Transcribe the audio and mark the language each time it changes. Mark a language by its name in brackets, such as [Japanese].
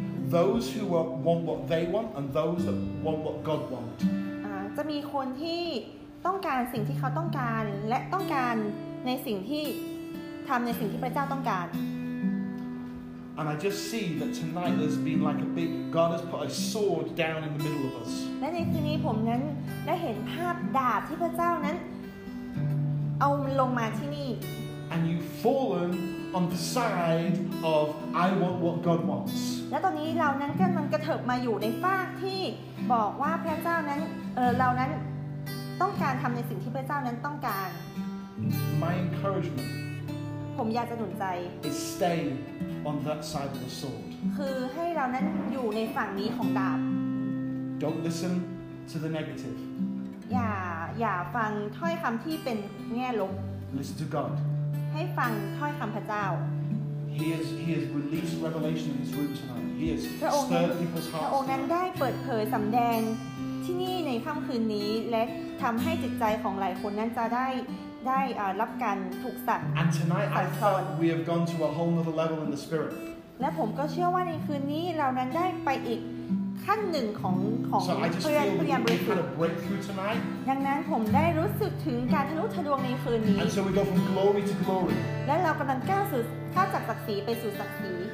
[English] Those who want what they want and those that want what God wants. [Thai] ต้องการสิ่งที่เขาต้องการและต้องการในสิ่งที่ทำในสิ่งที่พระเจ้าต้องการ [English] And I just see that tonight there's been like a big God has put a sword down in the middle of us [Thai] และในคืนนี้ผมนั้นได้เห็นภาพดาบที่พระเจ้านั้นเอาลงมาที่นี่ [English] And you've fallen on the side of I want what God wants [Thai] และตอนนี้เรานั้นกำลังกระเถิบมาอยู่ในฝั่งที่บอกว่าพระเจ้านั้นเรานั้นต้องการทำในสิ่งที่พระเจ้านั้นต้องการ [English] My encouragement [Thai] ผมอยากจะหนุนใจ [English] is stay on that side of the sword [Thai] คือให้เรานั้นอยู่ในฝั่งนี้ของดาบ [English] Don't listen to the negative [Thai] อย่าฟังถ้อยคำที่เป็นแง่ลบ [English] Listen to God [Thai] ให้ฟังถ้อยคำพระเจ้า [English] He has released revelation in this room tonight He has stirred people's hearts [Thai] พระองค์นั้นได้เปิดเผยสำแดงที่นี่ในค่ำคืนนี้และทำให้จิตใจของหลายคนนั้นจะได้รับการถูกสั่น [English] And tonight I thought we have gone to a whole other level in the spirit [Thai] และผมก็เชื่อว่าในคืนนี้เรานั้นได้ไปอีกขั้นหนึ่งของ เพื่อน [English] Breakthrough tonight [Thai] ดังนั้นผมได้รู้สึกถึงการทะลุทะลวงในคืนนี้ [English] And so we go from glory to glory [Thai] และเรากำลังก้าวสู่ข้าจากศักดิ์ศรีไปสู่ศักดิ์ศรี